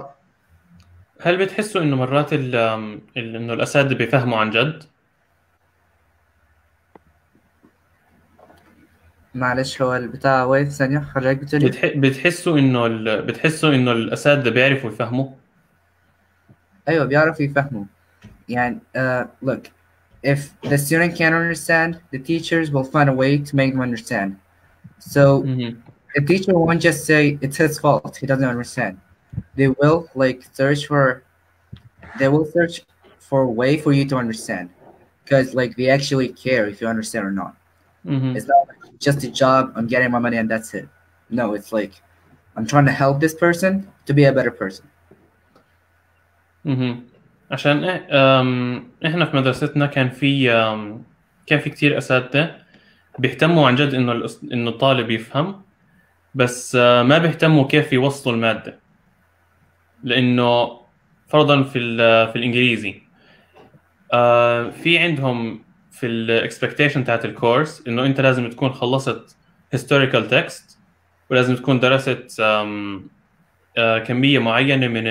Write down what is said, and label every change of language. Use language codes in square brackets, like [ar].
[ar] ايه. هل بتحسوا انه مرات ال انه الاساتذه بيفهموا عن جد؟ معلش، هو البتاع واقف ثانية، حضرتك بتقول ايه؟ بتحسوا انه الاساتذه بيعرفوا يفهموا؟ ايوه بيعرف يفهموا، يعني [en] look, if the student can't understand, the teachers will find a way to make them understand. So the teacher won't just say it's his fault, he doesn't understand. They will like search for, they will search for a way for you to understand, because like they actually care if you understand or not. It's not just a job, I'm getting my money and that's it. No, it's like I'm trying to help this person to be a better person. [ar] عشان احنا في مدرستنا كان في كتير اساتذه بيهتموا عن جد انه الطالب يفهم، بس ما بيهتموا كيف يوصلوا الماده، لانه فرضا في الانجليزي في عندهم في الاكسبكتيشن تاعت الكورس انه انت لازم تكون خلصت هيستوريكال تكست، ولازم تكون درست كميه معينه